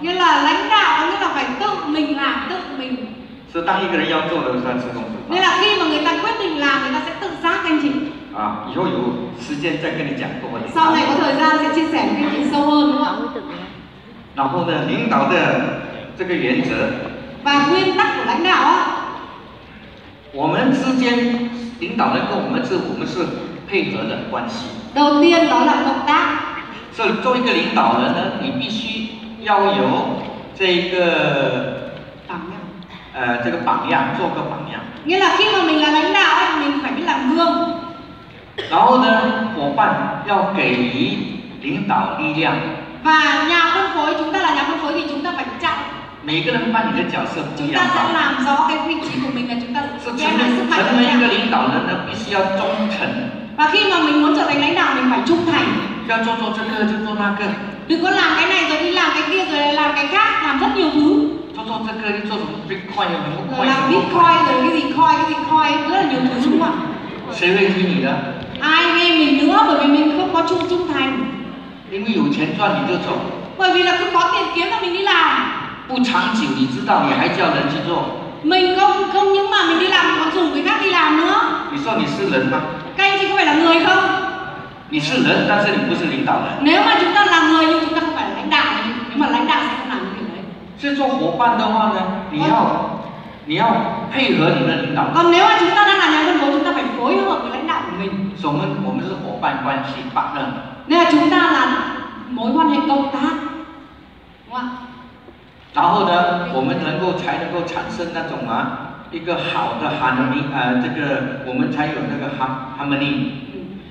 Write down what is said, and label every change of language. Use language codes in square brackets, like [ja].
[vi] Nghĩa là lãnh đạo nghĩa là phải tự mình làm, tự mình. [zh] 是当一个人要做的算自动自发. [vi] Nghĩa là khi mà người ta quyết định làm, người ta sẽ tự giác anh chị. [zh] 啊，以后有时间再跟你讲多点。 [vi] Sau này có thời gian sẽ chia sẻ với anh chị sâu hơn đúng không? [zh] 然后呢，领导的这个原则。 [vi] Và nguyên tắc của lãnh đạo. [zh] 我们之间领导人跟我们是配合的关系。 [vi] Đầu tiên đó là cộng tác. [zh] 所以作为一个领导人呢，你必须要有这个榜样，这个榜样做个榜样。 [vi] Nghĩa là khi mà mình là lãnh đạo ấy, mình phải biết làm gương. [zh] 然后呢，伙伴要给予领导力量。 [vi] Và nhà phân phối, chúng ta là nhà phân phối thì chúng ta phải chọn. [zh] 每个人扮演的角色不一样。 [vi] Chúng ta sẽ làm rõ cái vị trí của mình là chúng ta sẽ phải làm. [zh] 成为一个领导人呢，必须要忠诚。 [vi] Và khi mà mình muốn trở thành lãnh đạo, mình phải trung thành. [zh] 要做做这个，就做那个。 [vi] Đừng có làm cái này rồi đi làm cái kia rồi làm cái khác, làm rất nhiều thứ. [zh] 做做这个，你做什么 Bitcoin 什么 Coin？ 做 Bitcoin 做什么 Coin？ 做 Coin 做了很多东西嘛。谁会听你的？ [vi] Ai nghe mình nữa, bởi vì mình không có trung thành. [zh] 因为有钱赚你就走。 [vi] Bởi vì là cứ có tiền kiếm là mình đi làm. [zh] 不长久，你知道，你还叫人去做。 [vi] Mình không những mà mình đi làm còn rủ người khác đi làm nữa. [zh] 你说你是人吗？ [vi] Các anh chị có phải là người không？ [zh] 你是人，但是你不是领导人。 [vi] Nếu mà chúng ta là người nhưng chúng ta không phải là lãnh đạo, nhưng mà lãnh đạo sẽ không làm như thế. [zh] 是做伙伴的话呢，你要配合你的领导。 [vi] Còn nếu mà chúng ta đang là nhà phân phối, chúng ta phải phối hợp với lãnh đạo của mình. [zh] 所以我们是伙伴关系 partner. [vi] Nên là chúng ta là mối quan hệ công tác, đúng không? [zh] 然后呢，我们才能够产生那种啊一个好的 harmony， 这个我们才有那个 harmony。